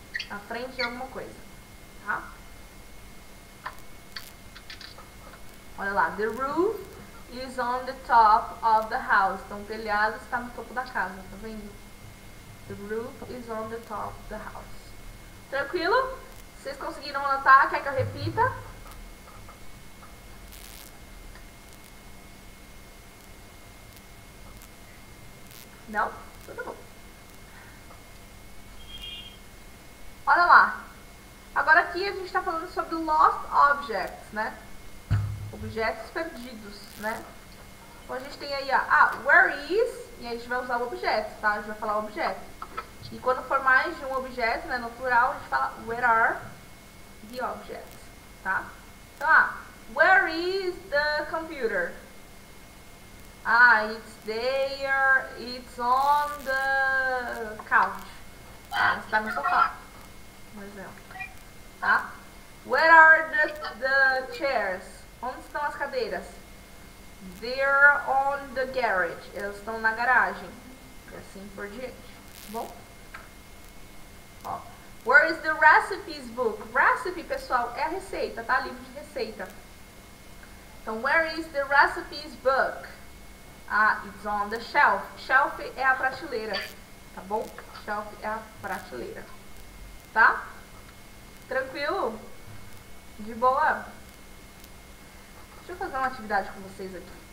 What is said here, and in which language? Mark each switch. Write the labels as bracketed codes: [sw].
[pt] Na frente de alguma coisa, tá? Olha lá, [en] the roof is on the top of the house. [pt] Então, o telhado está no topo da casa, tá vendo? [en] The roof is on the top of the house. [pt] Tranquilo? Vocês conseguiram anotar? Quer que eu repita? Não? Tudo bom. Olha lá, agora aqui a gente está falando sobre lost objects, né? Objetos perdidos, né? Então a gente tem aí, where is, e a gente vai usar o objeto, tá? A gente vai falar objeto. E quando for mais de um objeto, né, no plural, a gente fala [en] where are the objects, [pt] tá? [en] Então, where is the computer? It's there, it's on the couch. [pt] Está no sofá. Um exemplo, tá? [en] Where are the chairs? [pt] Onde estão as cadeiras? [en] They're on the garage. [pt] Elas estão na garagem. E assim por diante, tá bom? Ó. [en] Where is the recipes book? [pt] Recipe, pessoal, é a receita, tá? Livro de receita. [en] Então, where is the recipes book? It's on the shelf. [pt] Shelf é a prateleira, tá bom? Shelf é a prateleira, tá? Tranquilo? De boa? Deixa eu fazer uma atividade com vocês aqui.